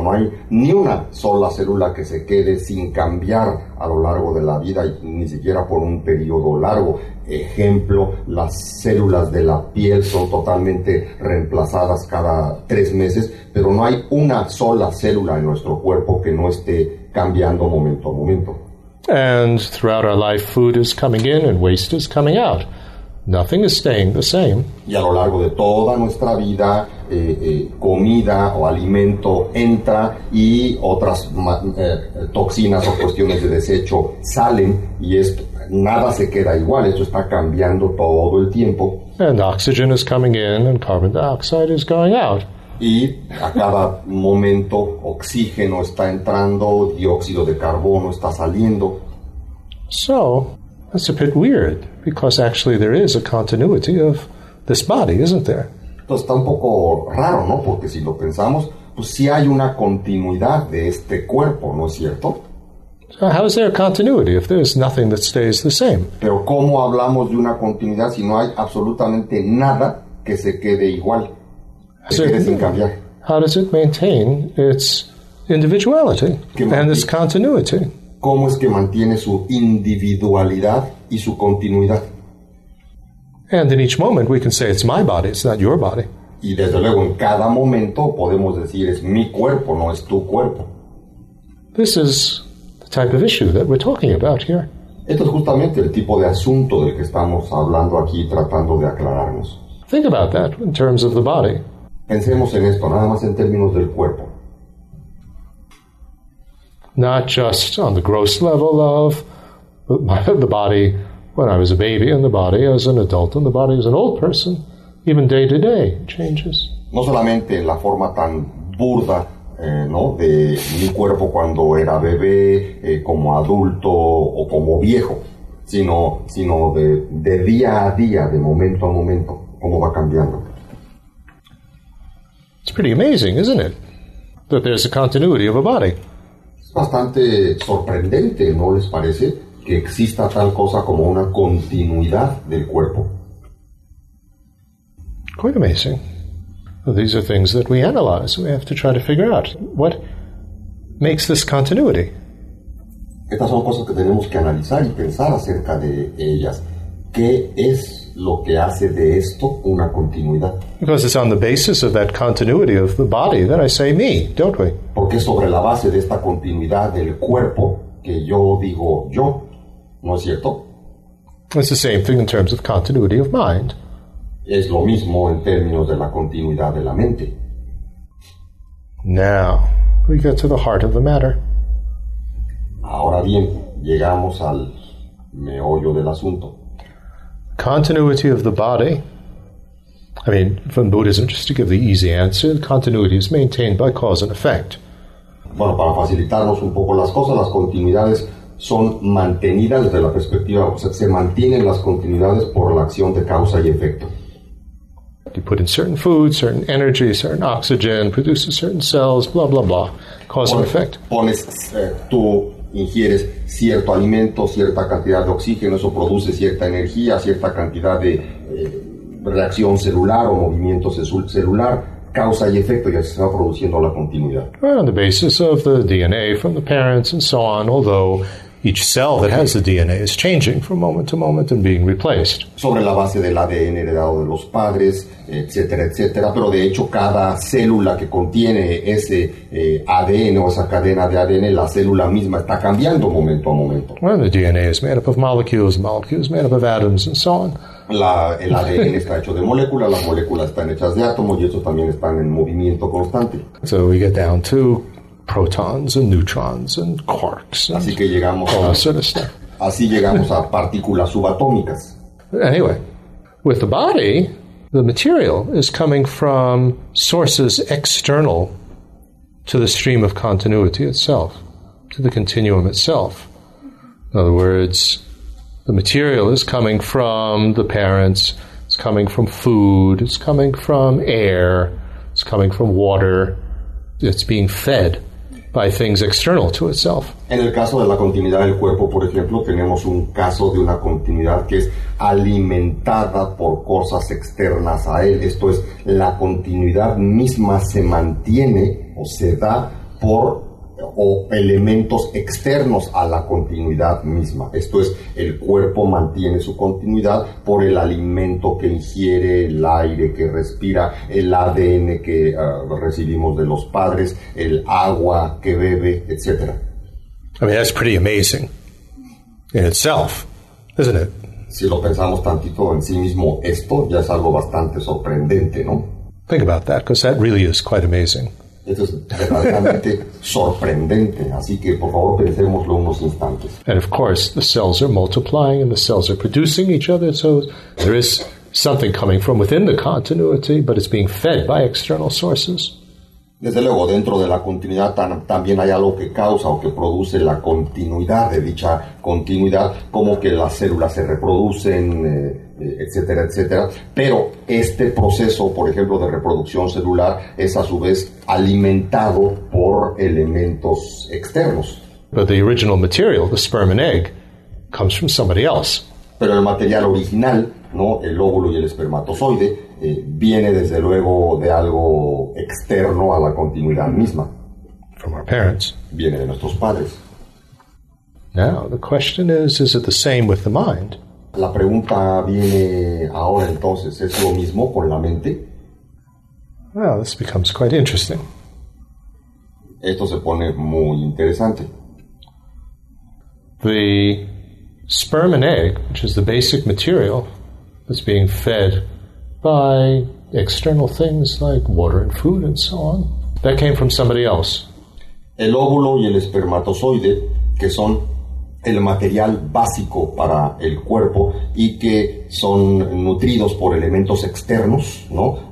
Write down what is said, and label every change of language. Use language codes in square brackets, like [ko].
[es] No hay ni una sola célula que se quede sin cambiar a lo largo de la vida, y ni siquiera por un periodo largo. Ejemplo, las células de la piel son totalmente reemplazadas cada 3 meses, pero no hay una sola célula en nuestro cuerpo que no esté cambiando momento a momento. [en] And throughout our life, food is coming in and waste is coming out. Nothing is staying the same. [es] Y a lo largo de toda nuestra vida, comida o alimento entra y otras toxinas o cuestiones de desecho salen, y esto, nada se queda igual, esto está cambiando todo el tiempo. [en] And oxygen is coming in and carbon dioxide is going out. [es] Y a cada momento oxígeno está entrando, dióxido de carbono está saliendo. [en] So, that's a bit weird, because actually there is a continuity of this body, isn't there? [es] Entonces está un poco raro, ¿no? Porque si lo pensamos, pues sí hay una continuidad de este cuerpo, ¿no es cierto? [en] So how is there a continuity if there's nothing that stays the same? [es] Pero ¿cómo hablamos de una continuidad si no hay absolutamente nada que se quede igual? Que quede sin cambiar. [en] How does it maintain its individuality and its continuity? [es] ¿Cómo es que mantiene su individualidad y su continuidad? [en] And in each moment we can say it's my body, it's not your body. [es] Y desde luego en cada momento podemos decir es mi cuerpo, no es tu cuerpo. [en] This is the type of issue that we're talking about here. [es] Esto es justamente el tipo de asunto del que estamos hablando aquí, tratando de aclararnos. [en] Think about that in terms of the body. [es] Pensemos en esto, nada más en términos del cuerpo. [en] Not just on the gross level of the body when I was a baby and the body as an adult and the body as an old person, even day to day changes. [es] No solamente la forma tan burda, ¿no? De mi cuerpo cuando era bebé, como adulto o como viejo, sino de día a día, de momento a momento, cómo va cambiando. [en] It's pretty amazing, isn't it? That there's a continuity of a body. [es] Bastante sorprendente, ¿no les parece, que exista tal cosa como una continuidad del cuerpo? [en] Quite amazing. These are things that we analyze. We have to try to figure out what makes this continuity. [es] Estas son cosas que tenemos que analizar y pensar acerca de ellas. ¿Qué es lo que hace de esto una continuidad? [en] Because it's on the basis of that continuity of the body that I say me, don't we? [es] Porque sobre la base de esta continuidad del cuerpo que yo digo yo, ¿no es cierto? [en] It's the same thing in terms of continuity of mind. [es] Es lo mismo en términos de la continuidad de la mente. [en] Now, we get to the heart of the matter. [es] Ahora bien, llegamos al meollo del asunto. [en] Continuity of the body, I mean, from Buddhism, just to give the easy answer, continuity is maintained by cause and effect. [es] Bueno, para facilitarnos un poco las cosas, las continuidades son mantenidas desde la perspectiva, o sea, se mantienen las continuidades por la acción de causa y efecto. [en] You put in certain foods, certain energy, certain oxygen, produces certain cells, blah, blah, blah, cause and effect. [es] Pones tu... ingieres cierto alimento, cierta cantidad de oxígeno, eso produce cierta energía, cierta cantidad de reacción celular o movimiento celular, causa y efecto, ya se está produciendo la continuidad. [en] Right, on the basis of the DNA from the parents and so on, although Each cell that has the DNA is changing from moment to moment and being replaced. [es] Sobre la base del ADN heredado de los padres, etcétera, etcétera. Pero de hecho, cada célula que contiene ese ADN o esa cadena de ADN, la célula misma está cambiando momento a momento. [en] Well, the DNA is made up of molecules, molecules made up of atoms, and so on. [es] El ADN está hecho de moléculas, las moléculas están hechas de átomos, y eso también están en movimiento constante. [en] So we get down to protons and neutrons and quarks. [es] Así que llegamos a [en] sort of stuff. [es] Así llegamos a partículas subatómicas. [en] Anyway, with the body, the material is coming from sources external to the stream of continuity itself, to the continuum itself. In other words, the material is coming from the parents, it's coming from food, it's coming from air, it's coming from water, it's being fed by things external to itself. [es] En el caso de la continuidad del cuerpo, por ejemplo, tenemos un caso de una continuidad que es alimentada por cosas externas a él. Esto es, la continuidad misma se mantiene o se da por o elementos externos a la continuidad misma. Esto es, el cuerpo mantiene su continuidad por el alimento que ingiere, el aire que respira, el ADN que recibimos de los padres, el agua que bebe, etc. [en] I mean, that's pretty amazing in itself, isn't it? [es] Si lo pensamos tantito en sí mismo, esto ya es algo bastante sorprendente, ¿no? [en] Think about that, because that really is quite amazing. [es] Esto es sorprendente, así que por favor pensémoslo unos instantes. [en] And of course, the cells are multiplying and the cells are producing each other, so there is something coming from within the continuity, but it's being fed by external sources. [es] Desde luego, dentro de la continuidad también hay algo que causa o que produce la continuidad de dicha continuidad, como que las células se reproducen, etcétera, etcétera. Pero este proceso, por ejemplo, de reproducción celular, es a su vez alimentado por elementos externos. [en] But the original material, the sperm and egg, comes from somebody else. [es] Pero el material original, ¿no?, el óvulo y el espermatozoide, viene desde luego de algo externo a la continuidad misma. [en] From our parents. [es] Viene de nuestros padres. [en] Now, the question is it the same with the mind? [es] La pregunta viene ahora entonces, ¿es lo mismo con la mente? [en] Well, this becomes quite interesting. [es] Esto se pone muy interesante. [en] The sperm and egg, which is the basic material, is being fed by external things like water and food and so on. That came from somebody else. [es] El óvulo y el espermatozoide, que son el material básico para el cuerpo y que son nutridos por elementos externos, ¿no?